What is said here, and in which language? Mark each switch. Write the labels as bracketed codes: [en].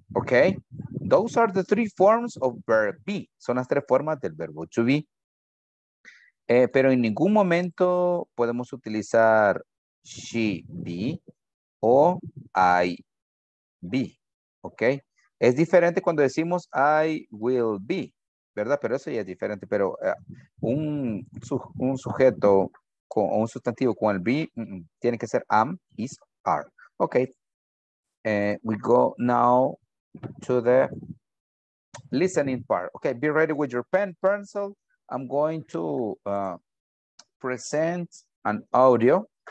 [en] Ok, those are the three forms of verb be. [es] Son las tres formas del verbo to be. Pero en ningún momento podemos utilizar she be o I be, ¿ok? Es diferente cuando decimos I will be, ¿verdad? Pero eso ya es diferente. Pero un sujeto o un sustantivo con el be tiene que ser am, is, are. [en] Ok, we go now to the listening part. Ok, be ready with your pen, pencil. I'm going to present an audio.